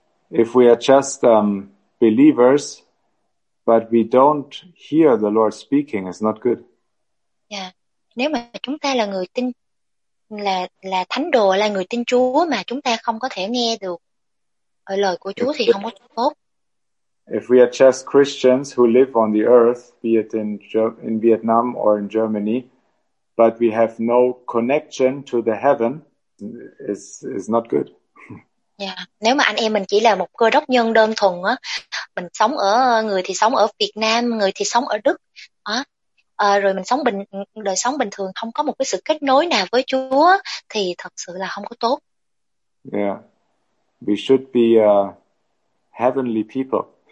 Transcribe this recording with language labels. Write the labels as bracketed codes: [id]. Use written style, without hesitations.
[en] If we are just believers, but we don't hear the Lord speaking, it's not good. Yeah. [vi] Nếu mà chúng ta là người tin, là thánh đồ, là người tin Chúa mà chúng ta không có thể nghe được ở lời của Chúa thì không có tốt. [en] If we are just Christians who live on the earth, be it in Vietnam or in Germany, but we have no connection to the heaven, is not good. [vi] Nếu mà anh em mình chỉ là một cơ đốc nhân đơn thuần á, mình sống ở, người thì sống ở Việt Nam, người thì sống ở Đức á, rồi mình sống đời sống bình thường, không có một cái sự kết nối nào với Chúa thì thật sự là không có tốt. [en] Yeah, we should be heavenly people.